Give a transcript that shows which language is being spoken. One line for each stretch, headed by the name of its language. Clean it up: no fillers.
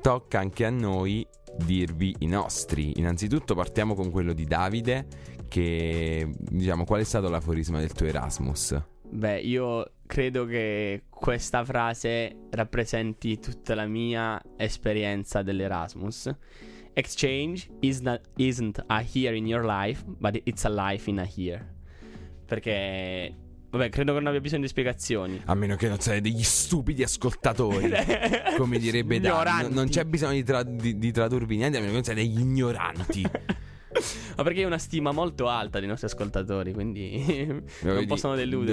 Italian: Tocca anche a noi dirvi i nostri. Innanzitutto partiamo con quello di Davide, che diciamo, qual è stato l'aforisma del tuo Erasmus? Beh, io credo che questa frase rappresenti tutta la mia esperienza dell'Erasmus.
English: Exchange isn't a year in your life, but it's a life in a year.
Italian: Perché, vabbè, credo che non abbia bisogno di spiegazioni. A meno che non sei degli stupidi ascoltatori, come direbbe Dan. Non c'è bisogno di tradurvi niente, a meno che non sei degli ignoranti. Ma perché è una stima molto alta dei nostri ascoltatori, quindi non possono deludere.